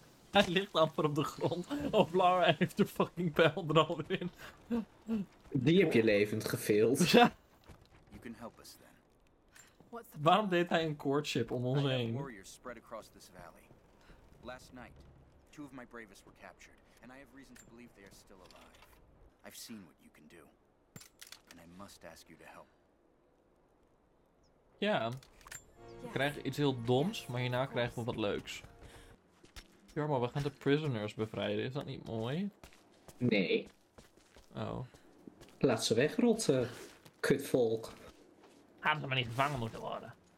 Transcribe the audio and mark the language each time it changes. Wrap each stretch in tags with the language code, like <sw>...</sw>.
<nl>Hij ligt amper op de grond. Oh, Lara heeft de fucking pijl er al in. Die heb je levend gefaild. Ja.</nl> <en>You can help us then.</en> <nl>Waarom deed hij een courtship om ons heen?</nl> <en>Warriors spread across this valley. Last night, two of my bravest were captured, and I have reason to believe they are still alive. I've seen what you can do, and I must ask you to help.</en> <nl>Ja. We krijgen iets heel doms, maar hierna krijgen we wat leuks. Jarmo, we gaan de prisoners bevrijden. Is dat niet mooi? Nee. Oh. Laat ze wegrotten, kutvolk. Laten ze maar niet gevangen moeten worden.</nl>